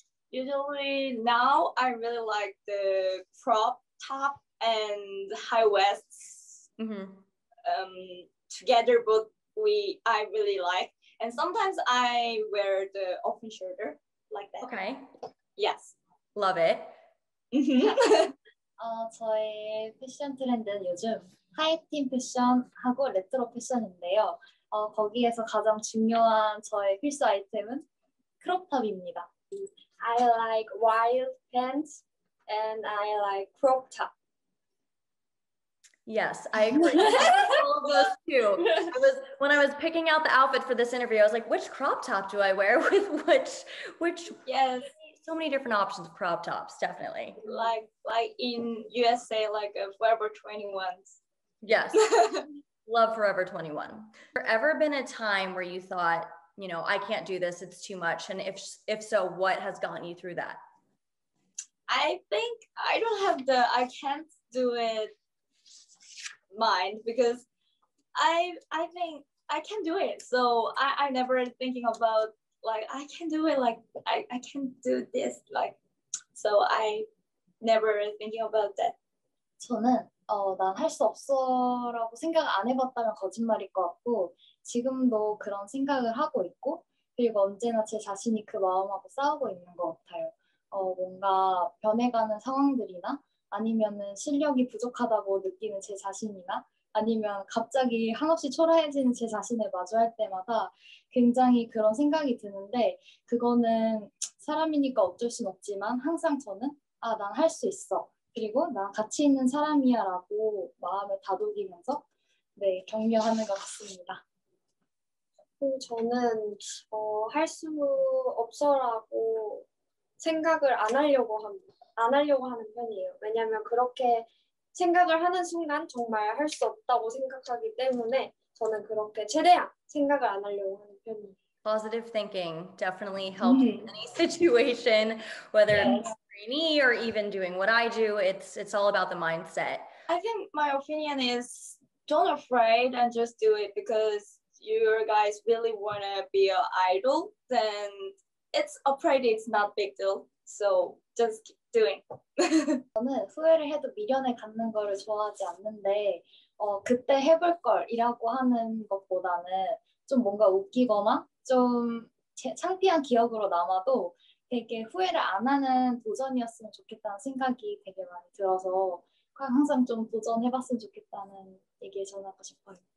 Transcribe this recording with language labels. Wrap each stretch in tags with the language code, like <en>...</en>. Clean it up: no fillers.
<en>Usually now I really like the crop top and high waist. Mm-hmm. Together both I really like, and sometimes I wear the open shoulder like that. Okay. Yes. Love it.</en> <ko>저희 패션 트렌드는 요즘 하이틴 패션하고 레트로 패션인데요. 거기에서 가장 중요한 저의 필수 아이템은 크롭탑입니다.</ko> <en>I like wild pants and I like crop top. Yes, I agree. I love those too. When I was picking out the outfit for this interview, I was like, which crop top do I wear with which? Yes. So many different options of crop tops, definitely. Like in USA, like a Forever 21s. Yes. Love Forever 21. Has there ever been a time where you thought, you know, I can't do this, it's too much? And if so, what has gotten you through that? I think I don't have the I can't do it mind, because I think I can do it. So I never thinking about like I can do it, like I can do this, like, so I never thinking about that.</en> <ko>저는 난 할 수 없어라고 생각 안 해봤다면 거짓말일 것 같고 지금도 그런 생각을 하고 있고 그리고 언제나 제 자신이 그 마음하고 싸우고 있는 것 같아요. 뭔가 변해가는 상황들이나 아니면은 실력이 부족하다고 느끼는 제 자신이나 아니면 갑자기 한없이 초라해지는 제 자신을 마주할 때마다 굉장히 그런 생각이 드는데 그거는 사람이니까 어쩔 순 없지만 항상 저는 아, 난 할 수 있어. 그리고 난 가치 있는 사람이야 라고 마음을 다독이면서 네, 격려하는 것 같습니다. 저는 할 수 없어라고 생각을 안 하려고 합니다. 안 하려고 하는 편이에요. 왜냐하면 그렇게 생각을 하는 순간 정말 할 수 없다고 생각하기 때문에 저는 그렇게 최대한 생각을 안 하려고 하는 편이에요.</ko> <en>Positive thinking definitely helps in any situation, whether it's trainee or even doing what I do. It's all about the mindset. I think my opinion is don't afraid and just do it, because you guys really want to be an idol, then it's afraid it's not big deal. So just keep doing.</en> <ko>저는 후회를 해도 미련을 갖는 거를 좋아하지 않는데 그때 해볼 걸이라고 하는 것보다는 좀 뭔가 웃기거나 좀 창피한 기억으로 남아도 되게 후회를 안 하는 도전이었으면 좋겠다는 생각이 되게 많이 들어서 항상 좀 도전해봤으면 좋겠다는 얘기를 전하고 싶어요.</ko>